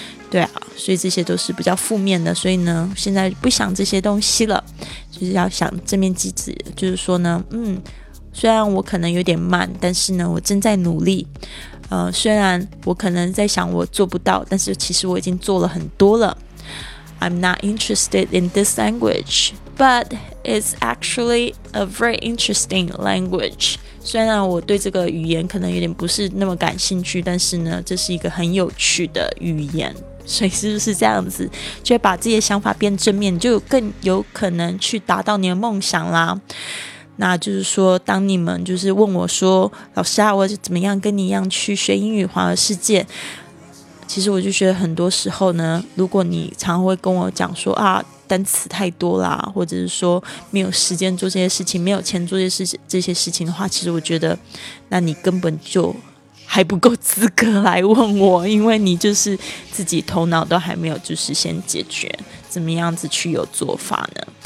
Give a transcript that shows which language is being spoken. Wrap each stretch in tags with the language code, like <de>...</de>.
<zh>对啊，所以这些都是比较负面的，所以呢现在不想这些东西了，就是要想正面积极，就是说呢虽然我可能有点慢，但是呢我正在努力，虽然我可能在想我做不到，但是其实我已经做了很多了。</zh> <en>I'm not interested in this language, but it's actually a very interesting language.</en> <zh>虽然我对这个语言可能有点不是那么感兴趣，但是呢这是一个很有趣的语言。所以是不是这样子就把自己的想法变正面，就更有可能去达到你的梦想啦。那就是说当你们就是问我说，老师啊，我怎么样跟你一样去学英语环游世界，其实我就觉得很多时候呢，如果你常会跟我讲说啊单词太多啦，或者是说没有时间做这些事情，没有钱做这些事情的话，其实我觉得那你根本就还不够资格来问我，因为你就是自己头脑都还没有就是先解决怎么样子去有做法呢。</zh>